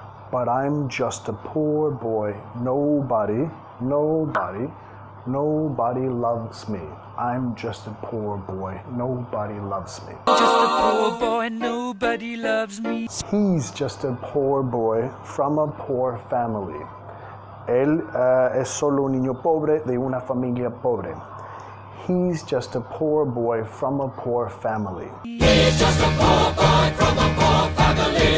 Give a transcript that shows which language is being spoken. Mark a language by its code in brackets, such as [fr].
[en] But I'm just a poor boy, nobody, nobody, nobody loves me. I'm just a poor boy, nobody loves me. Just a poor boy, nobody loves me. He's just a poor boy from a poor family. [es] Él es solo un niño pobre de una familia pobre. [en] He's just a poor boy from a poor family. He's just a poor boy from a poor family.